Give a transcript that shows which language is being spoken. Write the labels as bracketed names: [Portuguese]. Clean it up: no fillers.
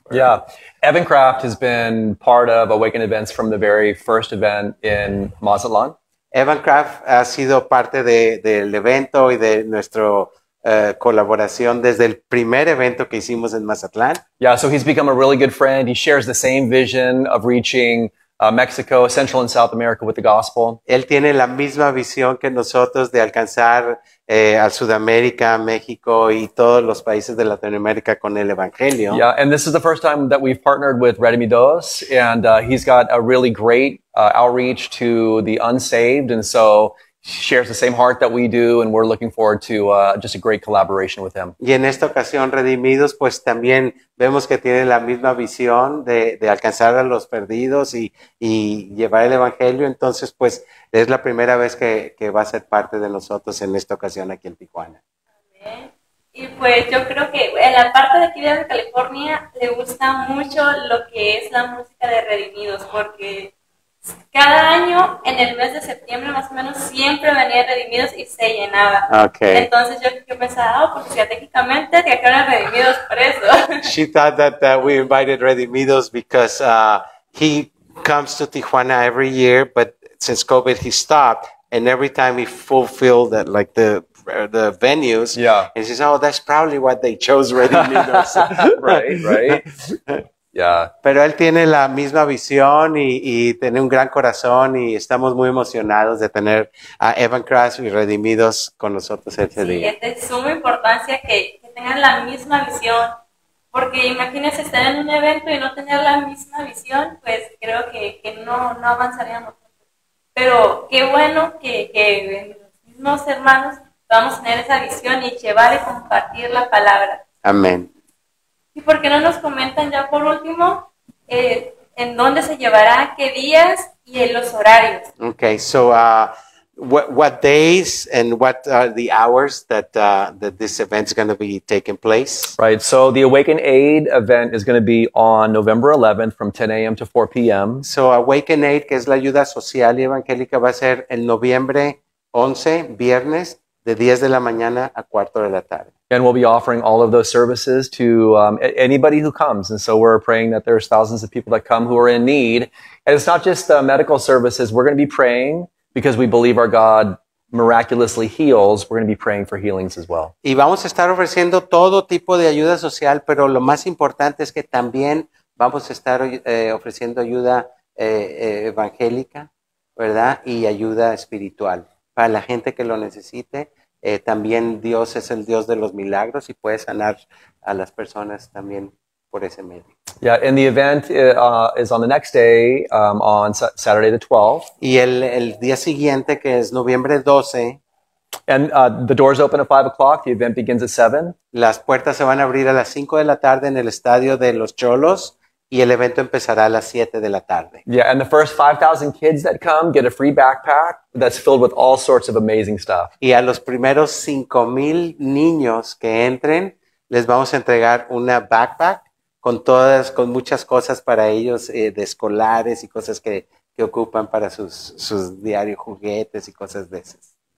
[English] Yeah, Evan Craft has been part of Awaken Events from the very first event in Mazatlan. [Spanish] Evan Craft ha sido parte del evento y de nuestra colaboración desde el primer evento que hicimos en Mazatlán. [English] Yeah, so he's become a really good friend. He shares the same vision of reaching Mexico, Central and South America with the gospel. [Spanish] Él tiene la misma visión que nosotros de alcanzar a Sudamérica, México y todos los países de Latinoamérica con el evangelio. [English] Yeah, and this is the first time that we've partnered with Redimidos, and he's got a really great outreach to the unsaved, and so shares the same heart that we do, and we're looking forward to just a great collaboration with him. [Spanish] Y en esta ocasión, Redimidos, pues también vemos que tiene la misma visión de alcanzar a los perdidos y llevar el evangelio. Entonces, pues es la primera vez que va a ser parte de nosotros en esta ocasión aquí en Tijuana. Amén. Y pues yo creo que en la parte de aquí de California le gusta mucho lo que es la música de Redimidos, porque cada año, en el mes de septiembre, más o menos, siempre venía Redimidos y se llenaba. [English] Okay. [Spanish] Entonces yo pensaba, oh, porque estratégicamente te acaban Redimidos por eso. [English] She thought that we invited Redimidos because he comes to Tijuana every year, but since COVID he stopped, and every time he fulfilled that, like the the venues. Yeah. And she says, oh, that's probably what they chose Ready Nino. right. Yeah. [Spanish] Pero él tiene la misma visión y tiene un gran corazón y estamos muy emocionados de tener a Evan Crash y Redimidos con nosotros este día. Sí, es de suma importancia que tengan la misma visión. Porque imagínense estar en un evento y no tener la misma visión, pues creo que no avanzaríamos. Pero qué bueno que los mismos hermanos vamos a tener esa visión y llevar y compartir la palabra. Amén. ¿Y por qué no nos comentan ya por último en dónde se llevará, qué días y en los horarios? [English] Okay, so what days and what are the hours that this event is going to be taking place? Right, so the Awaken Aid event is going to be on November 11th from 10 a.m. to 4 p.m. [Spanish] So Awaken Aid, que es la ayuda social y evangélica, va a ser el noviembre 11, viernes, de 10 de la mañana a 4 de la tarde. [English] And we'll be offering all of those services to anybody who comes. And so we're praying that there's thousands of people that come who are in need. And it's not just the medical services. We're going to be praying because we believe our God miraculously heals, we're going to be praying for healings as well. [Spanish] Y vamos a estar ofreciendo todo tipo de ayuda social, pero lo más importante es que también vamos a estar ofreciendo ayuda evangélica, ¿verdad? Y ayuda espiritual. Para la gente que lo necesite, también Dios es el Dios de los milagros y puede sanar a las personas también por ese medio. [English] Yeah, and the event is on the next day, on Saturday the 12th. [Spanish] Y el día siguiente, que es noviembre 12. [English] And the doors open at 5 o'clock, the event begins at 7. [Spanish] Las puertas se van a abrir a las 5 de la tarde en el estadio de los Cholos, y el evento empezará a las 7 de la tarde. [English] Yeah, and the first 5,000 kids that come get a free backpack that's filled with all sorts of amazing stuff. [Spanish] Y a los primeros 5,000 niños que entren, les vamos a entregar una backpack con muchas cosas para ellos, de escolares y cosas que ocupan para sus diarios, juguetes y cosas de esas.